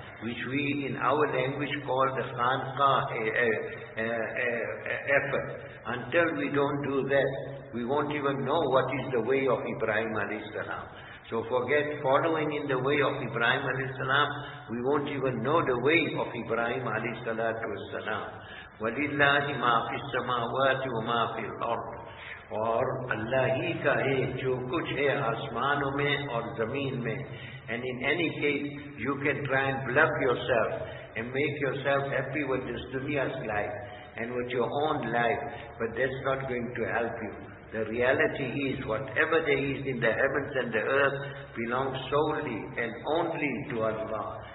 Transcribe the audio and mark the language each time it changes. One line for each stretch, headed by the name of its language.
English: which we in our language call the khanqa effort. Until we don't do that, we won't even know what is the way of Ibrahim alayhi salam. So forget following in the way of Ibrahim alayhi salam, we won't even know the way of Ibrahim alayhi salatu was salam.
Arabic: وَلِلَّهِ مَا فِي السَّمَاوَاتِ وَمَا فِي الْأَرْضِ.
Urdu: اور اللہ ہی کا ہے جو کچھ ہے آسمانوں میں اور زمین میں.
English: And in any case, you can try and bluff yourself and make yourself happy with this dunya's life and with your own life, but that's not going to help you. The reality is, whatever there is in the heavens and the earth belongs solely and only to Allah.